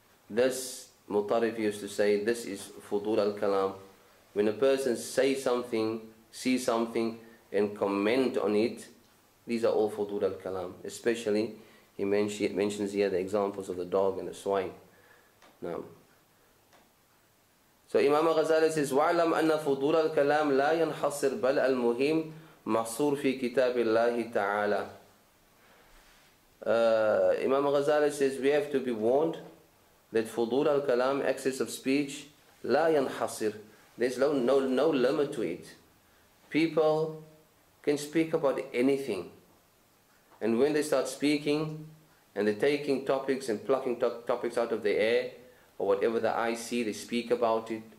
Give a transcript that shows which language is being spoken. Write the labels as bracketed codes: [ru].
[en] This Mutarif used to say, this is fudul al-kalam. When a person say something, see something, and comment on it, these are all fudul al-kalam. Especially, he mentions here the examples of the dog and the swine. Now, so Imam Ghazali says, [ar] وَعْلَمْ أَنَّ فُضُولَ الْكَلَامِ لَا يَنْحَصِرْ بَلْ الْمُهِيمِ مَحْصُورِ فِي كِتَابِ اللَّهِ تَعَالَى. [en] Imam Ghazali says, we have to be warned that fudul al-kalam, excess of speech, [ar] لا ينحصر. [en] There's no limit to it. People can speak about anything. And when they start speaking, and they're taking topics and plucking topics out of the air, or whatever the eye see, they speak about it.